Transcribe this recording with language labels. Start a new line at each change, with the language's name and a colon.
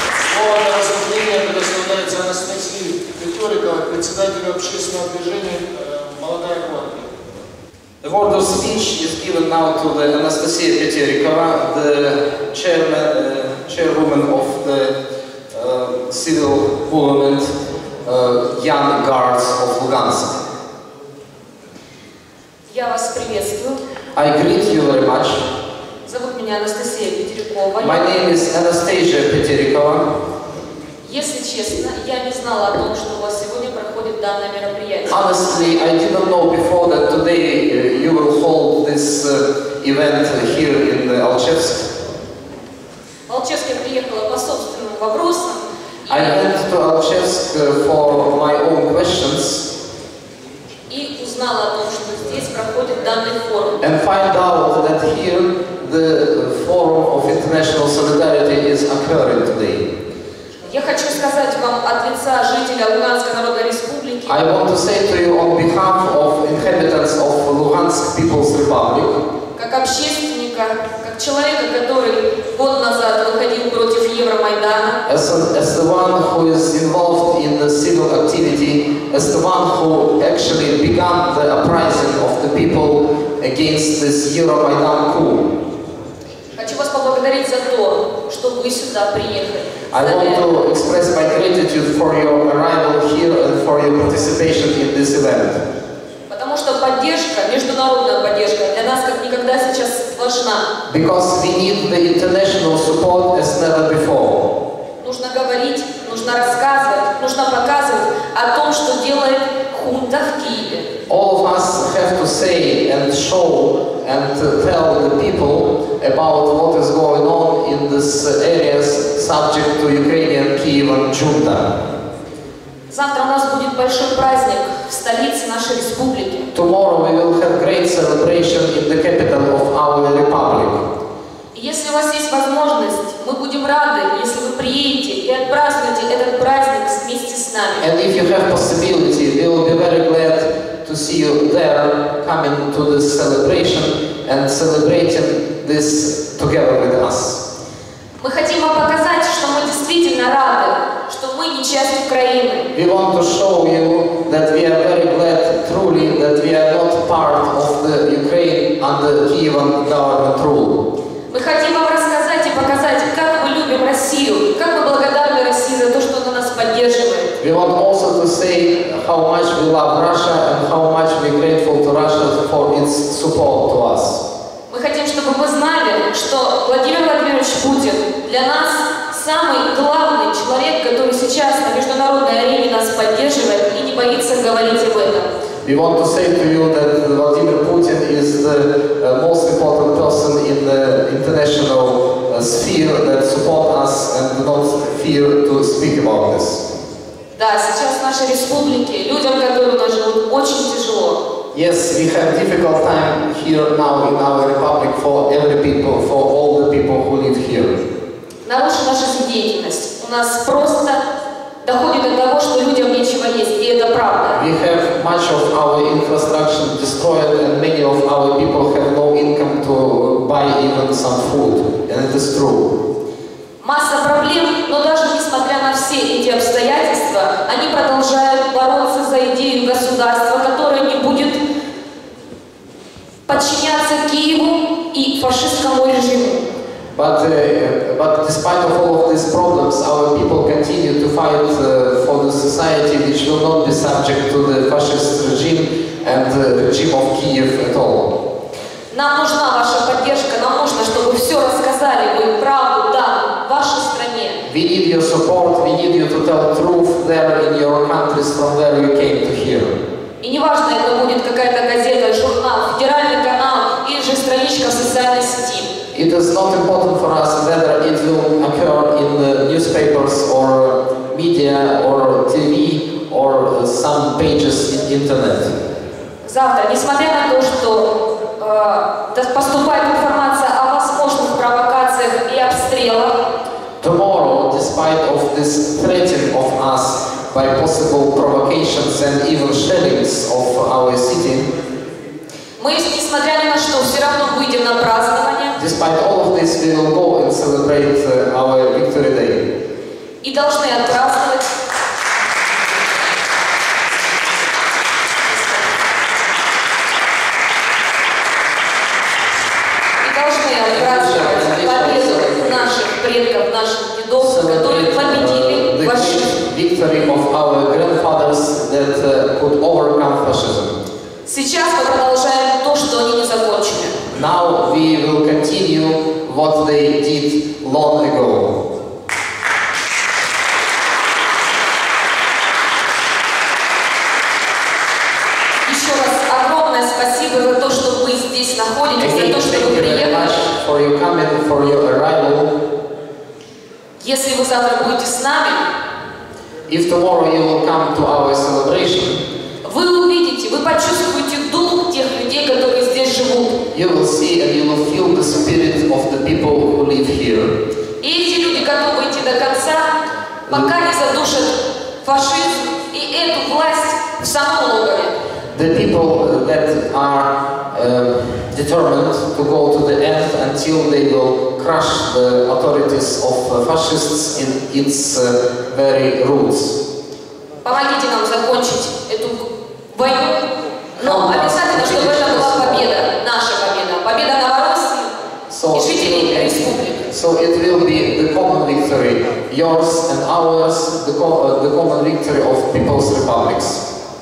Russian: Слово на выступление предоставляется Анастасии Петериковой, председателю общественного движения «Молодая гвардия».
English: The word of speech is given now to the Anastasia Petrikova, the chairwoman of the civil government Young Guards of Lugansk.
Russian: Я вас приветствую.
English: I greet you very much.
Russian: Зовут меня Анастасия Петерикова.
English: My name is Anastasia Petrikova.
Russian: Если честно, я не знала о том, что у вас сегодня проходит данное мероприятие.
English: Honestly, I didn't know before that today you will hold this event here in Alchevsk.
Russian: В Алчевск я приехала по собственным вопросам.
English: I went to Alchevsk for my own questions.
Russian: И узнала о том, что здесь проходит данный форум.
English: And find out that here the forum of international solidarity is occurring today.
Russian: Я хочу сказать вам от лица жителя Луганской Народной Республики.
English: I want to say to you on behalf of inhabitants of Luhansk People's Republic.
Russian: Как общественника, как человека, который год назад выходил против Евромайдана.
English: As the one who is involved in the civil activity, as the one who actually began the uprising of the people against this Euromaidan coup.
Russian: хочу вас поблагодарить за то, что вы сюда приехали.
English: I want to express my gratitude for your arrival here and for your participation in this event.
Russian: Потому что поддержка, международная поддержка, для нас как никогда сейчас важна.
English: Because we need the international support as never before.
Russian: Нужно говорить, нужно рассказывать, нужно показывать о том, что делает хунта в Киеве.
English: All of us have to say and show and tell the people about what is going on in these areas subject to Ukrainian Kiev and junta.
Russian: Завтра у нас будет большой праздник в столице нашей республики.
English: Tomorrow we will have great celebration in the capital of our republic.
Russian: Если у вас есть возможность, мы будем рады, если вы приедете и отпразднуете этот праздник вместе с нами.
English: And if you have possibility, we will be very glad to see you there, coming to this celebration and celebrating this together with us.
Russian: Мы хотим вам показать, что мы действительно рады, что мы не часть Украины.
English: We want to show you that we are very glad, truly, that we are not part of the Ukraine under Kievan government rule.
Russian: Мы хотим вам рассказать и показать, как мы любим Россию, как мы благодарны России за то, что она нас поддерживает.
English: We want also to say how much we love Russia and how much we grateful to Russia for its support to us.
Russian: Мы хотим, чтобы вы знали, что Владимир Владимирович Путин для нас самый главный человек, который сейчас на международной арене нас поддерживает и не боится говорить об этом.
English: We want to say to you that Vladimir Putin is the most important person in the international sphere that support us and not fear to speak about this.
Russian: Да, сейчас в нашей республике людям, которые у нас живут, очень тяжело.
English: Yes, we have difficult time here now in our republic for every people, for all the people who live here.
Russian: Нарушена жизнь деятельность. У нас просто доходит до того, что людям нечего есть, и это правда.
English: We have much of our infrastructure destroyed and many of our people have no income to buy even some food, and it is true.
Russian: Масса проблем, но даже несмотря на все эти обстоятельства, они продолжают бороться за идею государства, которое не будет подчиняться Киеву и фашистскому режиму.
English: But despite of all of these problems, our people continue to fight for the society which will not be subject to the fascist regime and the regime of Kiev at all.
Russian: Нам нужна ваша поддержка, нам нужно, чтобы все рассказали, вы правду, да, в вашей стране.
English: We need your support, we need you to tell the truth there in your countries from where you came to here.
Russian: И неважно, это будет какая-то газета, журнал, федеральный канал или же страничка в социальной сети.
English: It is not important for us whether it will occur in the newspapers or media or TV or some pages in internet.
Russian: Завтра, несмотря на то, что поступает информация о возможных провокациях и обстрелах.
English: Tomorrow, despite of this threatening of us by possible provocations and even shellings of our city.
Russian: Мы, несмотря на что, все равно выйдем на празднование.
English: Despite all of this, we will go and celebrate our victory day.
Russian: И должны отпраздновать. И должны отпраздновать победу наших предков, наших дедов, которые победили фашизм.
English: Victory of our grandfathers that could overcome fascism.
Russian: Сейчас мы продолжаем то, что они не закончили.
English: Now we will continue what they did long ago.
Russian: Еще раз огромное спасибо за то, что вы здесь находитесь, за то, что вы приехали.
English: For your coming, for your arrival.
Russian: Если вы завтра будете с нами,
English: if tomorrow you will come to our celebration,
Russian: вы увидите, вы почувствуете дух тех людей, которые здесь живут.
English: You will see and you will feel the spirit of the people who live here.
Russian: И эти люди готовы идти до конца, пока не задушат фашизм и эту власть в самом логове.
English: The people that are determined to go to the end until they will crush the authorities of fascists in its very roots.
Russian: Помогите нам закончить эту войну, но обязательно, чтобы это была победа, наша победа, победа Новороссии и жителей России.
English: yours and ours, the common victory of People's Republics.